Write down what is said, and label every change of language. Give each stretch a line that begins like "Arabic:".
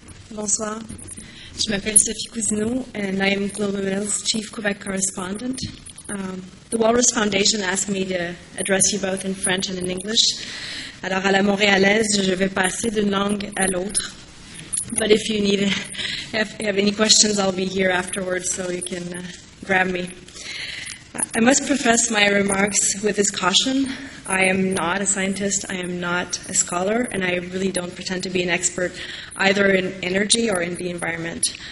French: Bonsoir. Je m'appelle
English: Sophie Cousineau, and I am Global Mail's chief Quebec correspondent. The Walrus Foundation asked me to address you both in French and in English.
French: Alors, à la Montréalaise, je vais passer d'une langue à l'autre.
English: But if you need, if you have any questions, I'll be here afterwards so you can grab me. I must profess my remarks with this caution. I am not a scientist, I am not a scholar, and I really don't pretend to be an expert either in energy or in the environment.